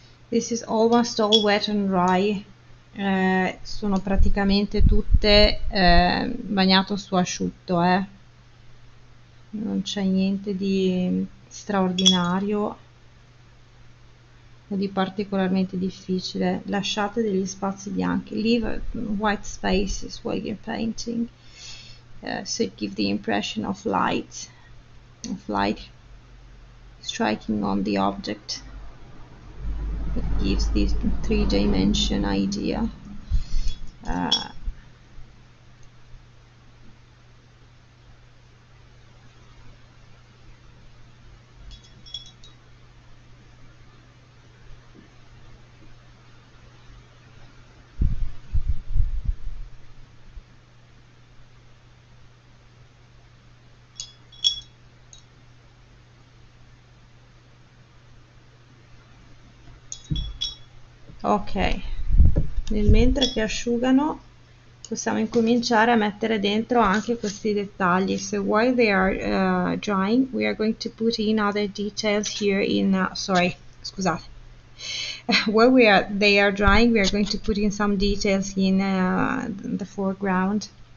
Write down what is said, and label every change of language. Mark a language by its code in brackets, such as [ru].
[en] This is almost all wet and dry. [it] Sono praticamente tutte bagnato su asciutto, Non c'è niente di straordinario o di particolarmente difficile. Lasciate degli spazi bianchi. [en] Leave white spaces while you're painting, so it gives the impression of light striking on the object. Gives this three-dimension idea. [it] Ok, nel mentre che asciugano possiamo incominciare a mettere dentro anche questi dettagli. [en] So while they are drying, we are going to put in other details here in sorry, [it] scusate. [en] While they are drying, we are going to put in some details in the foreground.